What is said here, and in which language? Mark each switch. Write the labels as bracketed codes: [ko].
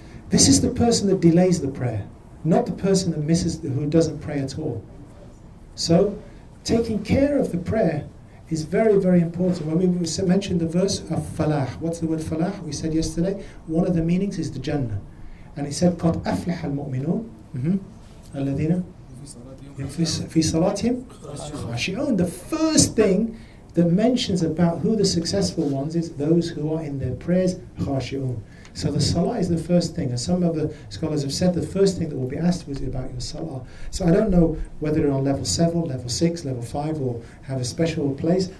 [en] This is the person that delays the prayer, not the person that misses, who doesn't pray at all. So taking care of the prayer is very, very important. When we mentioned the verse of falah, what's the word falah? We said yesterday, one of the meanings is the Jannah. And it said, [ar] قَدْ أَفْلِحَ الْمُؤْمِنُونَ الَّذِينَ فِي صَلَاتِهِمْ خَاشِعُونَ. [en] The first thing that mentions about who the successful ones is those who are in their prayers, [ar] خَاشِعُونَ. [en] So the salah is the first thing. And some of the scholars have said the first thing that will be asked was about your salah. So I don't know whether you're on level 7, level 6, level 5, or have a special place.